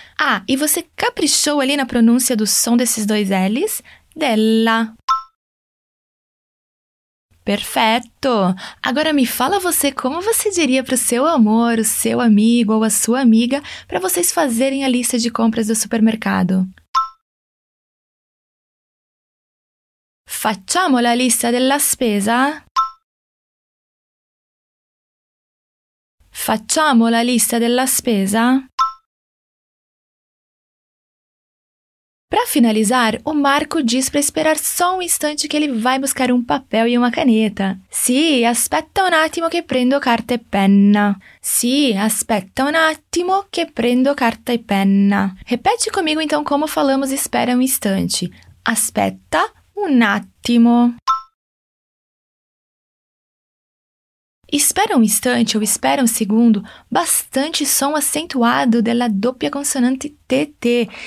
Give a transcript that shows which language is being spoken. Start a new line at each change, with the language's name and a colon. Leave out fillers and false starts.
Portuguese: Ah, e você caprichou ali na pronúncia do som desses dois L's? Della. Perfeito! Agora me fala você como você diria para o seu amor, o seu amigo ou a sua amiga para vocês fazerem a lista de compras do supermercado.
Italian: Facciamo la lista della spesa? Facciamo la lista della spesa?
Portuguese: Para finalizar, o Marco diz para esperar só um instante que ele vai buscar um papel e uma caneta.
Italian: Sì, aspetta un attimo che prendo carta e penna. Sì, aspetta un attimo che prendo carta e penna.
Portuguese: Repete comigo então como falamos espera um instante.
Italian: Aspetta un attimo.
Portuguese: Espera um instante ou espera um segundo, bastante som acentuado
Italian: della doppia consonante TT.